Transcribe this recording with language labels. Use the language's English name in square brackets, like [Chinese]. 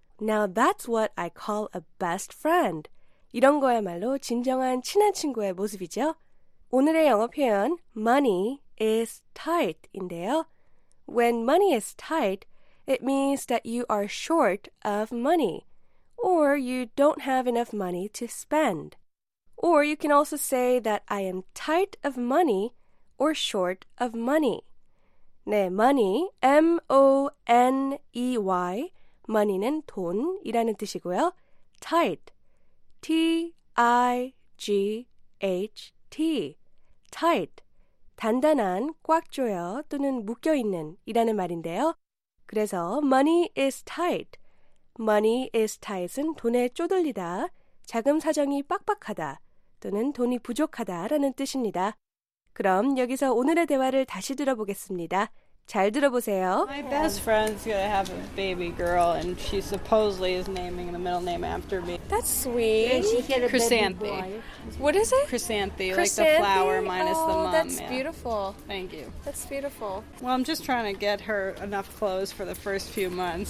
[English] Now that's what I call a best friend. [Korean] 이런 거야말로 진정한 친한 친구의 모습이죠. 오늘의 영어 표현, [English] money is tight [Korean] 인데요. [English] When money is tight, it means that you are short of money, or you don't have enough money to spend. Or you can also say that I am tight of money or short of money. [Korean] 네, money, M-O-N-E-Y, money는 돈이라는 뜻이고요. Tight, T-I-G-H-T, tight, 단단한, 꽉 조여 또는 묶여있는 이라는 말인데요. 그래서 [English] money is tight. Money is tight [Korean] 은 돈에 쪼들리다, 자금 사정이 빡빡하다 또는 돈이 부족하다라는 뜻입니다. 그럼 여기서 오늘의 대화를 다시 들어보겠습니다. 잘 들어보세요. [English] My best friend's gonna have a baby girl and she supposedly is naming the middle name after me. That's sweet. Chrysanthi. What is it? Chrysanthi, Chrysanthi, like the flower minus oh, the mom. Oh, that's yeah. beautiful. Thank you. That's beautiful. Well, I'm just trying to get her enough clothes for the first few months.